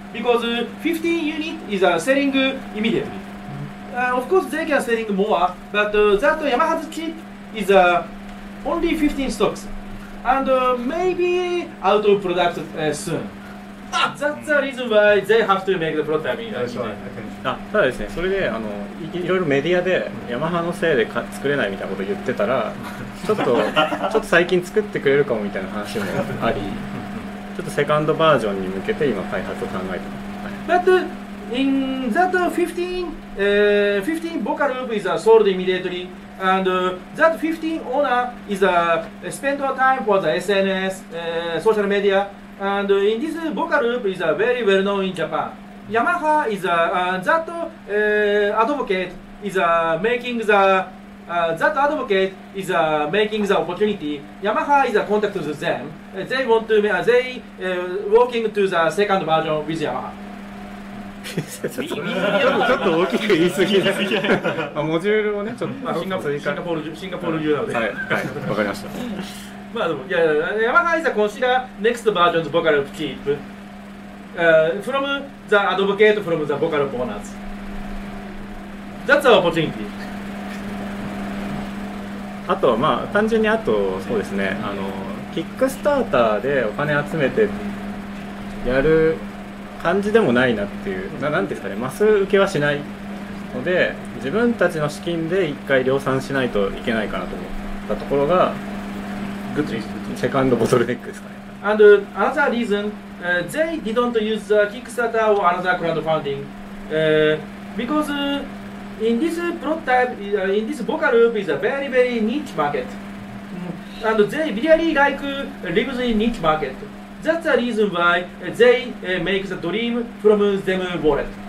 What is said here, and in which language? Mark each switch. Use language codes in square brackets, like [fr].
[en] Because 15 unit is selling immediately. Of course, they can selling more, but that Yamaha's chip is only 15 stocks, and maybe out of product soon. That's the reason why they have to make the prototype. [ja] ただですね、それでいろいろメディアでヤマハのせいで作れないみたいなこと言ってたら、ちょっと最近作ってくれるかもみたいな話もあり、ちょっとセカンドバージョンに向けて今開発を考えてます。 [en] But in that 15 VOCALOOP is sold immediately, and that 15 owner is spend our time for the SNS, social media. And in this VOCALOOP is very well known in Japan. Yamaha is that advocate is making the opportunity. Yamaha is a contact to them. They want to they working to the second version with Yamaha. [ja] ちょっと大きく言い過ぎですね。まあモジュールをねちょっとシンガポール中なので。はい、わかりました。 [en] まあ、でも、Yamaha is consider next version's VOCALOOP chip from the advocate from the VOCALOOP owners. That's our opportunity. [ja] あとは、まあ、単純にあと、そうですね、キックスターターでお金集めてやる感じでもないなっていう、なんですかね、マス受けはしないので、自分たちの資金で一回量産しないといけないかなと思ったところが、 [en] second bottleneck [ja] ですかね。 [en] And another reason, they didn't use the Kickstarter or another crowdfunding. Because in this prototype, in this VOCALOOP is a very, very niche market. And they really like lives in niche market. That's the reason why they make the dream from them wallet.